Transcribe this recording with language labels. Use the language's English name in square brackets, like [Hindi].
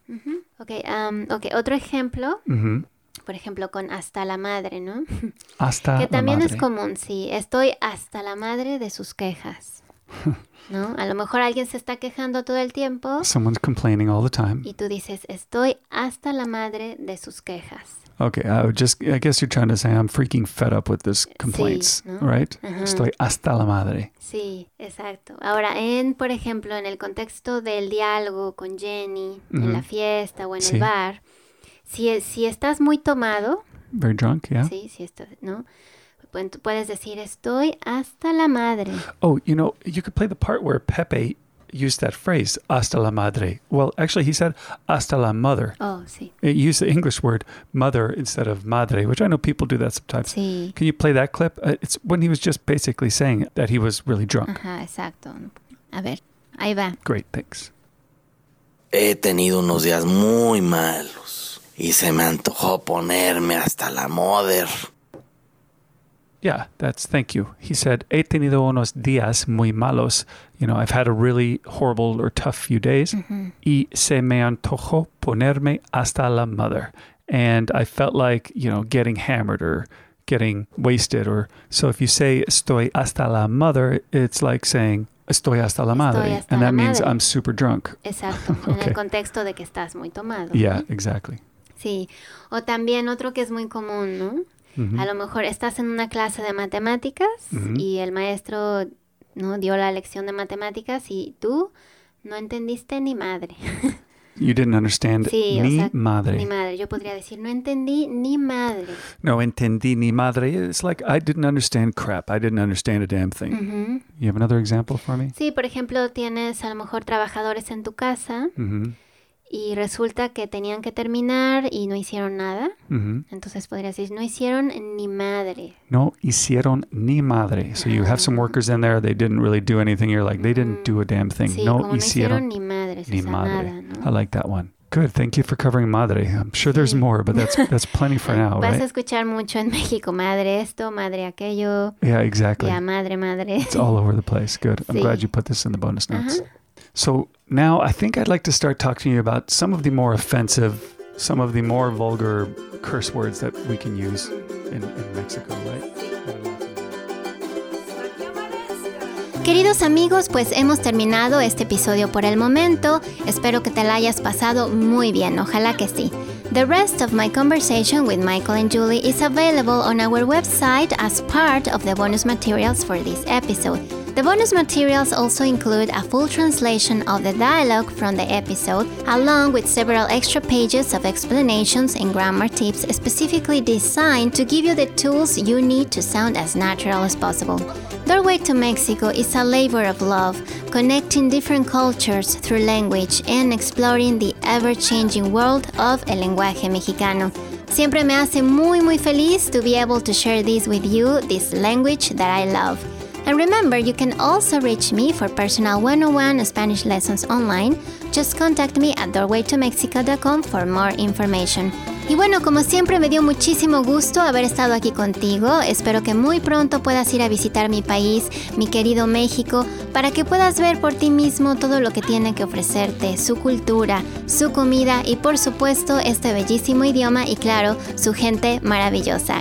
[Spanish] Mm-hmm. Okay. Okay. Otro ejemplo. Por ejemplo, con hasta la madre, ¿no? Hasta la madre. Que también es común, sí. Estoy hasta la madre de sus quejas. ¿No? A lo mejor alguien se está quejando todo el tiempo. [English] Someone's complaining all the time. [Spanish] Y tú dices, estoy hasta la madre de sus quejas. [English] Okay, I guess you're trying to say I'm freaking fed up with this complaints, [Spanish] sí, ¿no? [English] Right? Uh-huh. [Spanish] Estoy hasta la madre. Sí, exacto. Ahora, por ejemplo, en el contexto del diálogo con Jenny, uh-huh. en la fiesta o en sí. el bar, si estás muy tomado... [English] Very drunk, yeah. [Spanish] Sí, si estás, ¿no? Puedes decir, estoy hasta la madre. [English] Oh, you know, you could play the part where Pepe used that phrase, hasta la madre. Well, actually, he said, hasta la mother. [Spanish] Oh, sí. [English] He used the English word mother instead of madre, which I know people do that sometimes. [Spanish] Sí. [English] Can you play that clip? It's when he was just basically saying that he was really drunk. [Spanish] Ajá, exacto. A ver, ahí va. [English] Great, thanks. [Spanish] He tenido unos días muy malos y se me antojó ponerme hasta la mother. [English] Yeah, that's, thank you. He said, [Spanish] he tenido unos días muy malos. [English] You know, I've had a really horrible or tough few days. Mm-hmm. [Spanish] Y se me antojó ponerme hasta la mother. [English] And I felt like, you know, getting hammered or getting wasted. Or so if you say [Spanish] estoy hasta la mother, it's like saying estoy hasta la madre. Estoy hasta [English] and that means [Spanish] madre. [English] I'm super drunk. [Spanish] Exacto. Okay. En el contexto de que estás muy tomado. [English] Yeah, [Spanish] ¿no? [English] Exactly. [Spanish] Sí. O también otro que es muy común, ¿no? Uh-huh. A lo mejor estás en una clase de matemáticas uh-huh. y el maestro no dio la lección de matemáticas y tú no entendiste ni madre. [English] You didn't understand [Spanish] sí, ni o sea, madre. Ni madre. Yo podría decir no entendí ni madre. No entendí ni madre. [English] It's like I didn't understand crap. I didn't understand a damn thing. Uh-huh. You have another example for me? [Spanish] Sí, por ejemplo, tienes a lo mejor trabajadores en tu casa. Uh-huh. Y resulta que tenían que terminar y no hicieron nada. Mm-hmm. Entonces podrías decir, no hicieron ni madre. No hicieron ni madre. [English] So you have some workers in there, they didn't really do anything. You're like, they didn't do a damn thing. [Spanish] Sí, no, como hicieron ni madre. Ni madre. Nada, ¿no? [English] I like that one. Good, thank you for covering madre. I'm sure there's more, but that's plenty for now, [Spanish] vas [English] right? [Spanish] Vas a escuchar mucho en México, madre esto, madre aquello. [English] Yeah, exactly. Yeah, madre, madre. It's all over the place. Good. I'm [Spanish] sí. [English] glad you put this in the bonus notes. Uh-huh. So... Now, I think I'd like to start talking to you about some of the more offensive, some of the more vulgar curse words that we can use in Mexico, right? [Spanish] Queridos amigos, pues hemos terminado este episodio por el momento. Espero que te la hayas pasado muy bien. Ojalá que sí. [English] The rest of my conversation with Michael and Julie is available on our website as part of the bonus materials for this episode. The bonus materials also include a full translation of the dialogue from the episode, along with several extra pages of explanations and grammar tips specifically designed to give you the tools you need to sound as natural as possible. Doorway to Mexico is a labor of love, connecting different cultures through language and exploring the ever-changing world of el lenguaje mexicano. [Spanish] Siempre me hace muy muy feliz [English] to be able to share this with you, this language that I love. And remember, you can also reach me for personal 101 Spanish lessons online. Just contact me at doorwaytomexico.com for more information. [Spanish] Y bueno, como siempre, me dio muchísimo gusto haber estado aquí contigo. Espero que muy pronto puedas ir a visitar mi país, mi querido México, para que puedas ver por ti mismo todo lo que tiene que ofrecerte, su cultura, su comida y, por supuesto, este bellísimo idioma y, claro, su gente maravillosa.